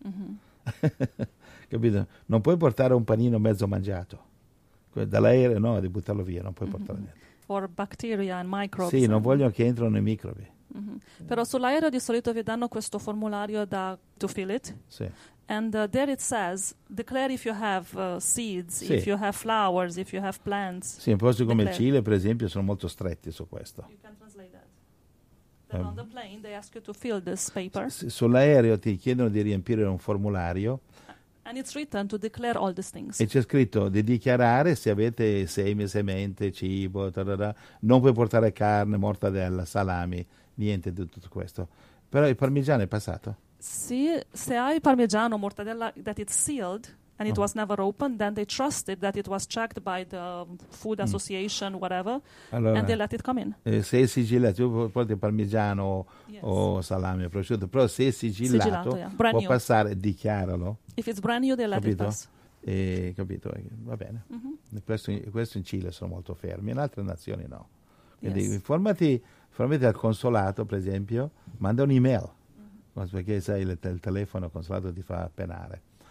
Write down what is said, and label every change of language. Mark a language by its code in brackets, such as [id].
[it] Mm-hmm. Capito? Non puoi portare un panino mezzo mangiato dall'aereo, no, devi buttarlo via, non puoi portare niente. [en] For bacteria and microbes. [it] Sì, non vogliono che entrano i microbi. Mm-hmm. Però sull'aereo di solito vi danno questo formulario da [en] to fill it. [it] Sì. [en] And there it says, declare if you have seeds, [it] sì. [en] If you have flowers, if you have plants. [it] Sì, in posti come il Cile, per esempio, sono molto stretti su questo. [en] On the plane, they ask you to fill this paper. [it] Sull'aereo ti chiedono di riempire un formulario. [en] And it's written to declare all these things. [it] E c'è scritto di dichiarare se avete semi, semente, cibo, tarara. Non puoi portare carne, mortadella, salami, niente di tutto questo. Però il parmigiano è passato? [en] Sì, se hai parmigiano, mortadella, that it's sealed and it was never opened, then they trusted that it was checked by the food association, whatever, [it] allora, [en] and they let it come in. [it] Se è sigillato, tu porti parmigiano o salame, prosciutto, però se è sigillato, può passare, dichiaralo. [en] If it's brand new, they let [it] capito? [en] It pass. [it] Capito, va bene. Mm-hmm. Questo in Cile sono molto fermi, in altre nazioni no. Quindi [en] yes. [it] informati al consolato, per esempio, manda un'email, perché sai, il telefono consolato ti fa penare.